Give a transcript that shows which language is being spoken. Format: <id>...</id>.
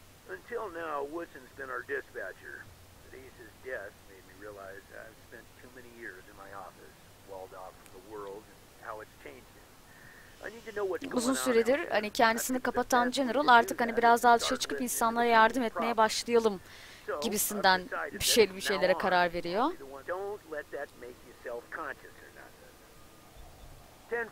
<en>Until now, Woodson's been our dispatcher. Ace's death made me realize I've spent too many years in my office, walled off from the world and how it's changed him. I need to know what's going on.</en> <tr>Uzun süredir hani kendisini kapatan general artık hani biraz daha dışarı çıkıp insanlara yardım etmeye başlayalım gibisinden bir şeylere karar veriyor.</tr> <en>Don't let that make you self-conscious or nothing.</en>